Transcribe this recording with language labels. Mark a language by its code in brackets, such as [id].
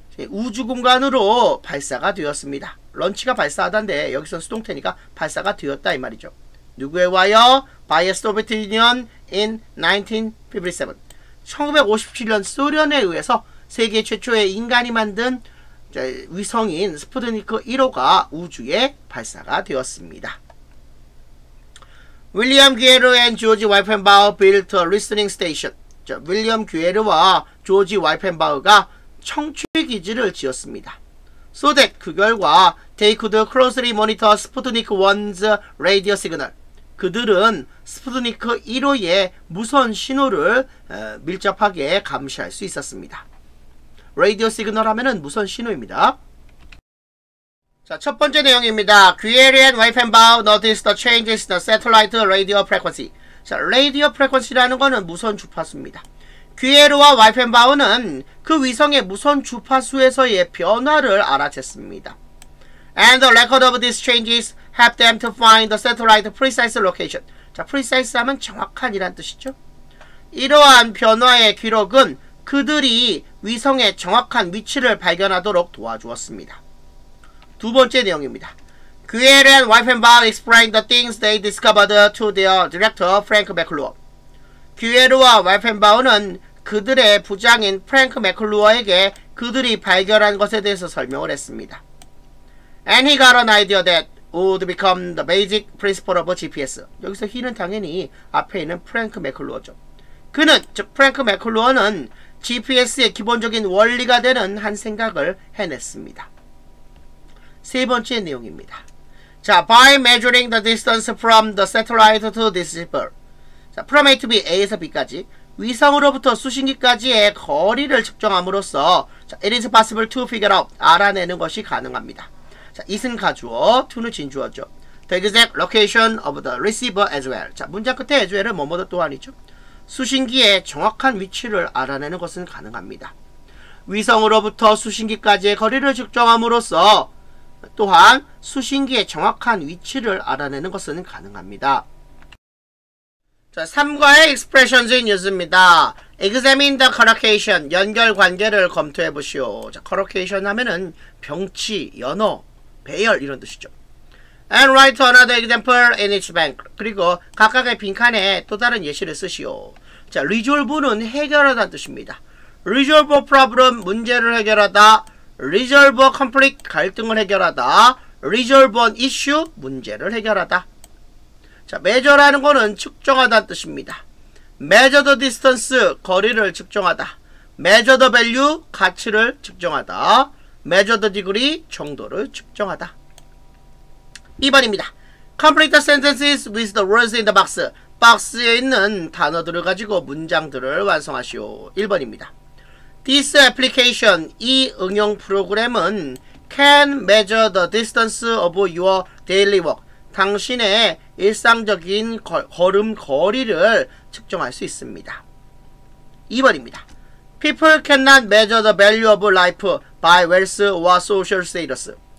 [ko] 우주 공간으로 발사가 되었습니다. 런치가 발사하다인데 여기서 수동태니까 발사가 되었다 이 말이죠. 누구에 와요? [en] By a Soviet Union in 1957. [ko] 1957년 소련에 의해서 세계 최초의 인간이 만든 위성인 스푸트니크 1호가 우주에 발사가 되었습니다. [en] William Guerrero and George Weifenbaum built a listening station. [ko] 자, 윌리엄 규에르와 조지 와이펜바우가 청취기지를 지었습니다. [en] So that [ko] 그 결과 [en] they could closely monitor Sputnik 1's radio signal. [ko] 그들은 스푸트니크 1호의 무선 신호를 밀접하게 감시할 수 있었습니다. 라디오 시그널 하면은 무선 신호입니다. 자, 첫 번째 내용입니다. [en] Guerrero and Weifenbaum noticed the changes in the satellite radio frequency. [ko] 자, 라디오 프레퀀시라는 거는 무선 주파수입니다. Guerrero와 Weifenbaum은 그 위성의 무선 주파수에서의 변화를 알아챘습니다. [en] And the record of these changes help them to find the satellite precise location. [ko] 자, precise 하면 정확한이란 뜻이죠. 이러한 변화의 기록은 그들이 위성의 정확한 위치를 발견하도록 도와주었습니다. 두 번째 내용입니다. [en] Guerrero and Weifenbaum explained the things they discovered to their director, Frank McClure. [ko] Guerrero와 Weifenbaum은 그들의 부장인 프랭크 맥클루어에게 그들이 발견한 것에 대해서 설명을 했습니다. [en] And he got an idea that would become the basic principle of GPS. [ko] 여기서 he는 당연히 앞에 있는 프랭크 맥클루어죠. 그는, 즉 프랭크 맥클루어는 GPS의 기본적인 원리가 되는 한 생각을 해냈습니다. 세 번째 내용입니다. [en] 자, by measuring the distance from the satellite to this ship. [ko] 자, from A to B, A에서 B까지. 위성으로부터 수신기까지의 거리를 측정함으로써 자, [en] it is possible to figure out, [ko] 알아내는 것이 가능합니다. 자, it은 가주어, to는 진주어죠. [en] The exact location of the receiver as well. [ko] 자, 문장 끝에 as well은 뭐뭐도 또한이죠. 수신기의 정확한 위치를 알아내는 것은 가능합니다. 위성으로부터 수신기까지의 거리를 측정함으로써 또한 수신기의 정확한 위치를 알아내는 것은 가능합니다. [en] 자, 3과의 expressions in use입니다. Examine the collocation, [ko] 연결 관계를 검토해보시오. 자, collocation 하면은 병치, 연어, 배열 이런 뜻이죠. [en] And write another example in each bank. [ko] 그리고 각각의 빈칸에 또 다른 예시를 쓰시오. 자, resolve는 해결하다는 뜻입니다. [en] Resolve a problem, [ko] 문제를 해결하다. [en] Resolve a conflict, [ko] 갈등을 해결하다. [en] Resolve an issue, [ko] 문제를 해결하다. 자, measure라는 거는 측정하다는 뜻입니다. [en] Measure the distance, [ko] 거리를 측정하다. [en] Measure the value, [ko] 가치를 측정하다. [en] Measure the degree, [ko] 정도를 측정하다. 2번입니다. [en] Complete the sentences with the words in the box. [ko] 박스에 있는 단어들을 가지고 문장들을 완성하시오. 1번입니다. [en] This application, [ko] 이 응용 프로그램은 [en] can measure the distance of your daily walk. [ko] 당신의 일상적인 걸음 거리를 측정할 수 있습니다. 2번입니다. [en] People cannot measure the value of life by wealth or social status.